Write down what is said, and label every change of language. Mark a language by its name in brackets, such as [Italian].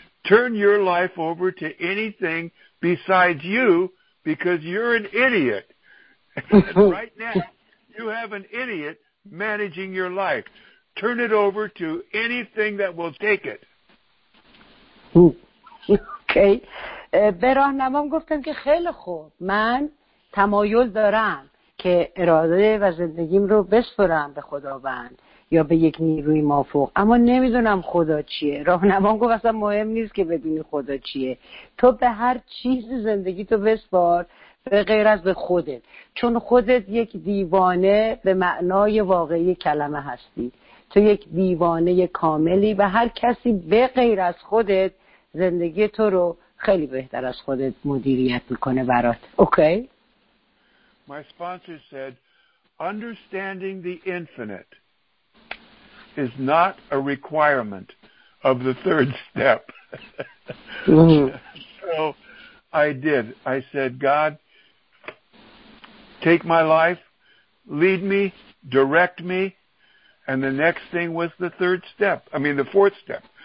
[English] Turn your life over to anything besides you because you're an idiot. Right now, you have an idiot managing your life. Turn it over to anything that will take it. Okay. [Persian] به راهنمام گفتم که خیلی خوب. من تمایل دارم که اراده و زندگیم رو بسپرم به خداوند یا به یک نیروی مافوق، اما نمیدونم خدا چیه. راهنمام گفت اصلا مهم نیست که بدونی خدا چیه، تو به هر چیز زندگی تو بسپار به غیر از به خودت، چون خودت یک دیوانه به معنای واقعی کلمه هستی. تو یک دیوانه کاملی و هر کسی به غیر از خودت زندگی تو رو خیلی بهتر از خودت مدیریت میکنه برات. اوکی؟ [English] My sponsor said understanding the infinite is not a requirement of the third step. So I did. I said, God, take my life, lead me, direct me, and the next thing was the third step. I mean, the fourth step.